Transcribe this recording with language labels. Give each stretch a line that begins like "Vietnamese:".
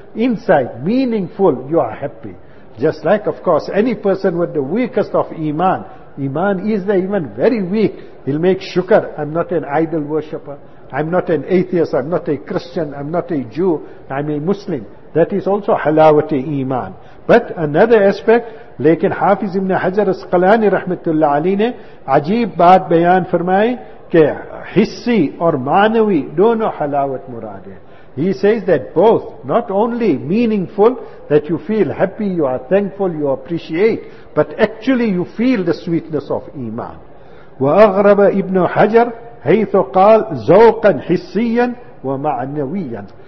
English: Inside, meaningful, you are happy. Just like, of course, any person with the weakest of iman, iman is the iman very weak, he'll make shukar. I'm not an idol worshipper, I'm not an atheist, I'm not a Christian, I'm not a Jew, I'm a Muslim. That is also halawat-e-iman. But another aspect,
Urdu: لیکن حافظ ابن حجر اسقلانی رحمت اللہ علی نے عجیب بات بیان فرمائے کہ حسی اور معنوی دونوں حلاوت مراد ہیں.
English: He says that both, not only meaningful, that you feel happy, you are thankful, you appreciate, but actually you feel the sweetness of ایمان.
Arabic: وَأَغْرَبَ ابْنُ حَجَرْ حَيْثُ قَالْ زَوْقًا حِسِّيًّا وَمَعْنَوِيًّا.